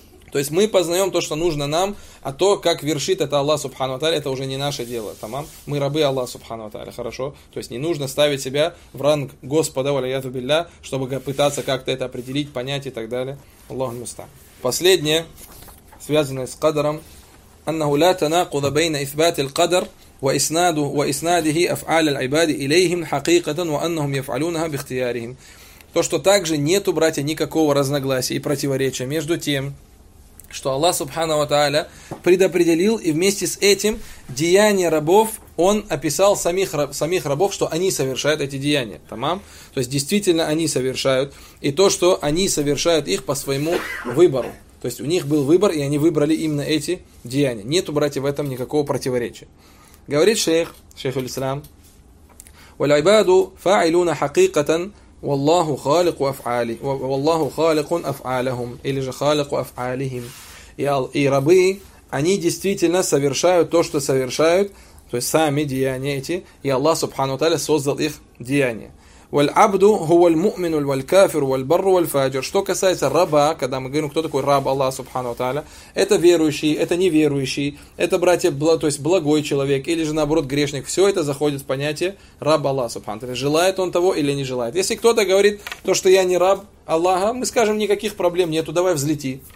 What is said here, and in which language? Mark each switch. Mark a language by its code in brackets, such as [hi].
[ru] То есть мы познаем то, что нужно нам, а то, как вершит это Аллах субхану ва тааля, это уже не наше дело. Тамам? Мы рабы Аллаха субхану ва тааля. Хорошо? То есть не нужно ставить себя в ранг Господа, ва ля тубилля, чтобы пытаться как-то это определить, понять и так далее. Аллаху муста. Последнее, связанное с кадром. [ar] أنه لا تناقض بين إثبات القدر وإسناده أفعال العباد إليهم حقيقة وأنهم يفعلونها باختيارهم. [ru] То, что также нету, братья, никакого разногласия и противоречия между тем, что Аллах Субхана ва Тааля предопределил, и вместе с этим деяния рабов Он описал самих рабов, что они совершают эти деяния. Тамам? То есть действительно они совершают, и то, что они совершают их по своему выбору. То есть у них был выбор, и они выбрали именно эти деяния. Нету, братья, в этом никакого противоречия. Говорит шейх аль-Ислам, [ar] وَالْعِبَادُ فَاعِلُونَ حَقِيقَةً وَاللَّهُ خَالِقُ أَفْعَالِهُمْ وَاللَّهُ خَالِقٌ أَفْعَالَهُمْ [ru] или же [ar] خَالِقُ أَفْعَالِهِمْ. [ru] И рабы, они действительно совершают то, что совершают, то есть сами деяния эти, и Аллах, субхану тааля, создал их деяния. [ar] والعبد هو المؤمن والكافر والبر والفاجر. [ru] Что касается раба, когда мы говорим, кто такой раб Аллаха субхану ва тааля, это верующий, это неверующий, это, братья, то есть благой человек или же наоборот грешник, все это заходит в понятие раб Аллаха субхану ва тааля. Желает он того или не желает. Если кто-то говорит, то, что я не раб Аллаха, мы скажем, никаких проблем нету, давай взлети.